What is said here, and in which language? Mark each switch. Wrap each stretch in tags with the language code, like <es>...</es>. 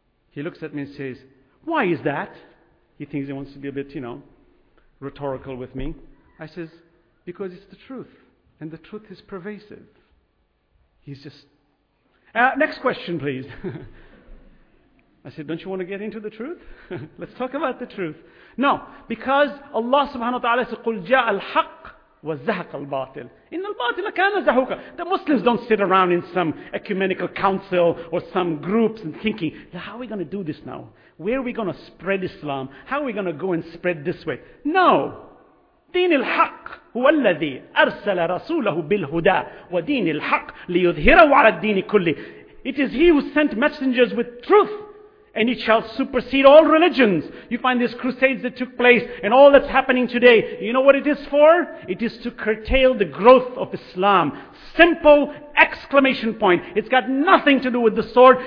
<en>He looks at me and says, why is that? He thinks he wants to be a bit, you know, rhetorical with me. I says, because it's the truth. And the truth is pervasive. He's just... next question, please. I said, don't you want to get into the truth? Let's talk about the truth. No, because Allah subhanahu wa ta'ala said,</en> <ar>قُلْ جَاءَ الْحَقِّ وَزَّهَقَ الْبَاطِلِ إِنَّ الْبَاطِلَ كَانَ زَهُوكَ.</ar> <en>The Muslims don't sit around in some ecumenical council or some groups and thinking, yeah, how are we going to do this now? Where are we going to spread Islam? How are we going to go and spread this way? No.</en> <ar>دين الحق هو الذي أرسل رسوله بالهدى ودين الحق ليظهره على الدين كله.</ar> <en>It is he who sent messengers with truth, and it shall supersede all religions. You find these crusades that took place and all that's happening today. You know what it is for? It is to curtail the growth of Islam. Simple exclamation point. It's got nothing to do with the sword.</en>